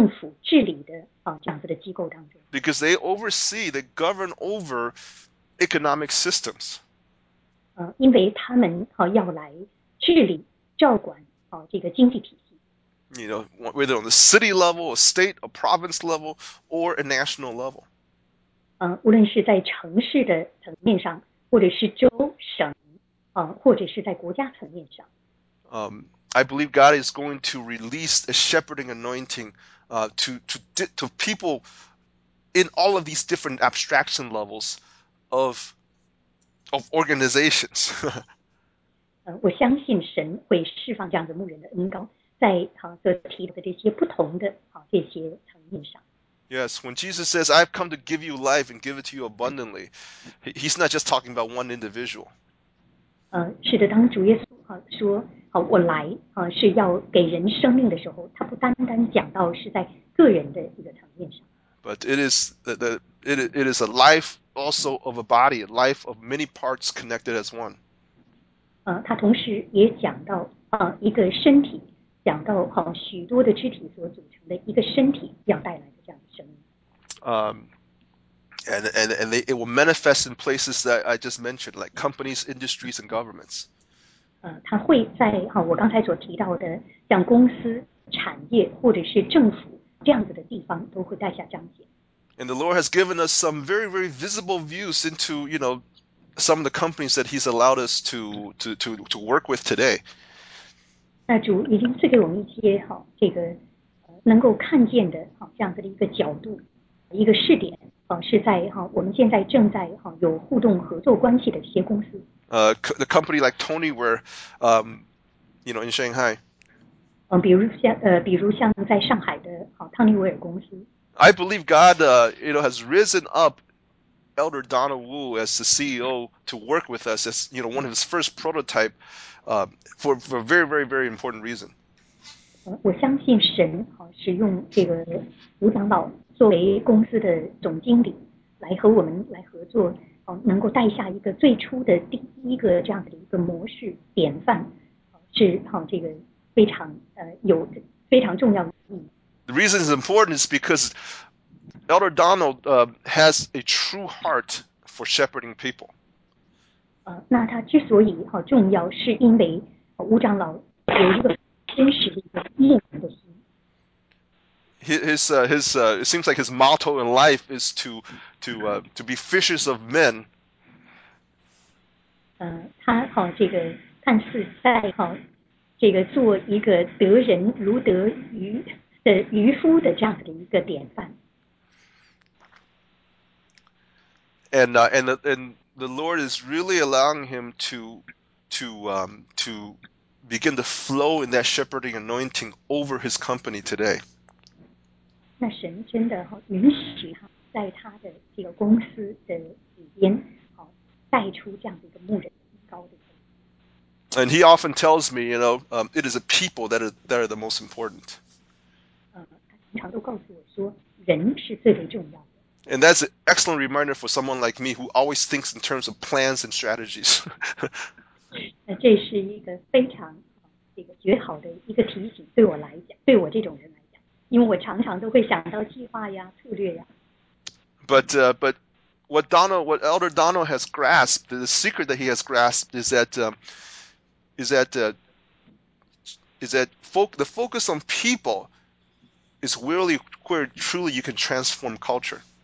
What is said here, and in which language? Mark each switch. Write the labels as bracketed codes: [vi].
[zh] 我们相信神也会把这样子的一个牧人的恩膏带到政府治理的这样子的机构当中。 [en] Because they oversee, they govern over economic systems. [zh] 因为他们要来治理、照管这个经济体系。 [en] You know, whether on the city level, a state, a province level, or a national level. [zh] 无论是在城市的层面上，或者是州、省，或者是在国家层面上。 [en] I believe God is going to release a shepherding anointing to people in all of these different abstraction levels of of organizations. [zh] 我相信神会释放这样的牧人的恩膏，在所提到的这些不同的这些层面上。 [en] Yes, when Jesus says, "I've come to give you life and give it to you abundantly," he's not just talking about one individual. [zh] 是的，当主耶稣说我来是要给人生命的时候，他不单单讲到是在个人的一个层面上。 [en] But it is a life also of a body, a life of many parts connected as one. [zh] 他同时也讲到一个身体，讲到许多的肢体所组成的一个身体要带来的这样的生命。 [en] And it will manifest in places that I just mentioned, like companies, industries, and governments. [zh] 它会在我刚才所提到的像公司、产业或者是政府这样子的地方，都会带下彰显。 [en] And the Lord has given us some very, very visible views into, you know, some of the companies that He's allowed us to work with today. [zh] 那主已经赐给我们一些这个能够看见的这样子的一个角度，一个试点，是在我们现在正在有互动合作关系的这些公司。 [en] The company like Tony, where, you know, in Shanghai. [zh] 比如像在上海的汤尼维尔公司。 [en] I believe God, you know, has risen up Elder Donald Wu as the CEO to work with us as, you know, one of his first prototype, for a very, very, very important reason. [zh] 我相信神使用这个吴长老作为公司的总经理来和我们来合作。能够带下一个最初的第一个这样的一个模式典范，是这个非常有非常重要的意义。 [en] The reason is important is because Elder Donald, has a true heart for shepherding people. [zh] 那他之所以重要，是因为吴长老有一个真实的一个牧人的心。 [en] It seems like his motto in life is to be fishers of men. [zh] 他这个看似在这个做一个得人如得鱼的渔夫的这样的一个典范。 [en] And the Lord is really allowing him to begin to flow in that shepherding anointing over his company today. [zh] 那神真的允许他在他的这个公司的里边，带出这样的一个牧人高的。 [en] And he often tells me, you know, it is the people that are the most important. [zh] 他经常都告诉我说，人是最为重要的。 [en] And that's an excellent reminder for someone like me who always thinks in terms of plans and strategies. [zh] 那这是一个非常这个绝好的一个提醒，对我来讲，对我这种人来讲，因为我常常都会想到计划呀、策略呀。 [en] But what Elder Donald has grasped, the secret that he has grasped is that the focus on people is really where truly you can transform culture.